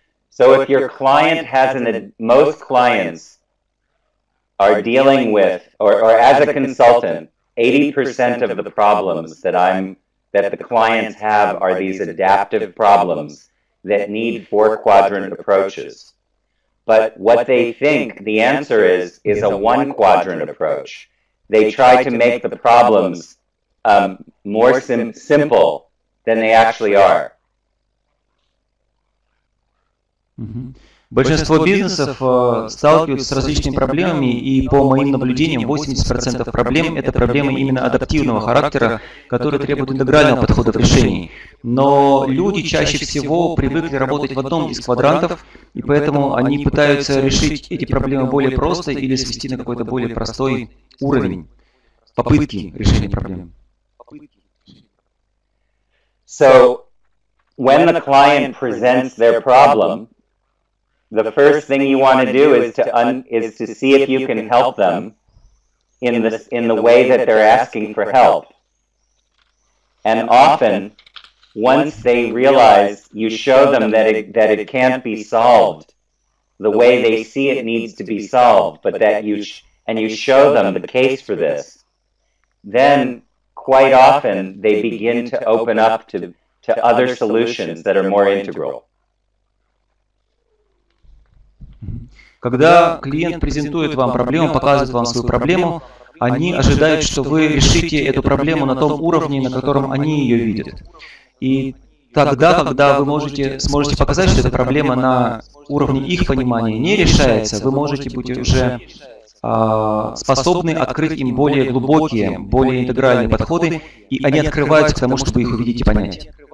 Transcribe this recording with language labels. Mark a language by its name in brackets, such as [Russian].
[English] So if your client has an most clients are dealing with or as a consultant, 80% of the problems that the clients have are these adaptive problems that need four quadrant approaches. But what they think the answer is a one quadrant approach. They try to make the problems more simple than they actually are. [Russian] Большинство бизнесов сталкиваются с различными проблемами, и по моим наблюдениям 80% проблем – это проблемы именно адаптивного характера, которые требуют интегрального подхода к решению. Но люди чаще всего привыкли работать в одном из квадрантов, и поэтому они пытаются решить эти проблемы более просто или свести на какой-то более простой уровень попытки решения проблем. [English] So, when the client presents their problem, the first thing you want to do is to see if you can help them in the way that they're asking for help. And often, once they realize, you show them that it can't be solved the way they see it needs to be solved, but that you show them the case for this, then quite often they begin to open up to other solutions that are more integral. [Russian] Когда клиент презентует вам проблему, показывает вам свою проблему, они ожидают, что вы решите эту проблему на том уровне, на котором они ее видят. И тогда, когда вы сможете показать, что эта проблема на уровне их понимания не решается, вы можете быть уже способны открыть им более глубокие, более интегральные подходы, и они открываются к тому, чтобы их увидеть и понять.